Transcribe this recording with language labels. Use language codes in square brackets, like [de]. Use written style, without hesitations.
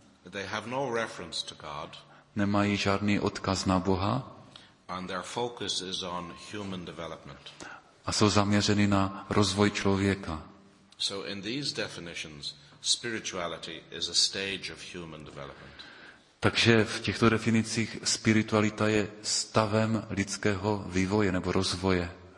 [en] They have no reference to God. [cs] Nemají žádný odkaz na Boha. [en] And their focus is on human development. [cs] A jsou zaměřeny na rozvoj člověka. [en] So in these definitions, spirituality is a stage of human development. [cs] Takže v těchto definicích spiritualita je stavem lidského vývoje nebo rozvoje.